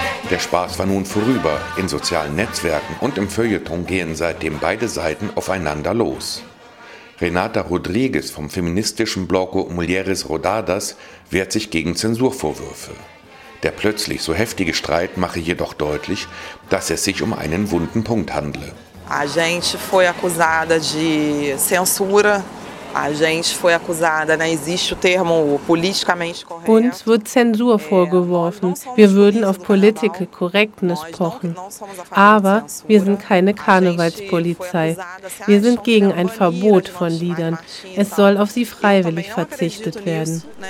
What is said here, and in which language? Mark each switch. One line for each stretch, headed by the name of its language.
German: Der Spaß war nun vorüber. In sozialen Netzwerken und im Feuilleton gehen seitdem beide Seiten aufeinander los. Renata Rodrigues vom feministischen Bloco Mulheres Rodadas wehrt sich gegen Zensurvorwürfe. Der plötzlich so heftige Streit mache jedoch deutlich, dass es sich um einen wunden Punkt handle.
Portuguese: A gente foi acusada de censura.
German: Uns wird Zensur vorgeworfen. Wir würden auf Political Correctness pochen. Aber wir sind keine Karnevalspolizei. Wir sind gegen ein Verbot von Liedern. Es soll auf sie freiwillig verzichtet werden.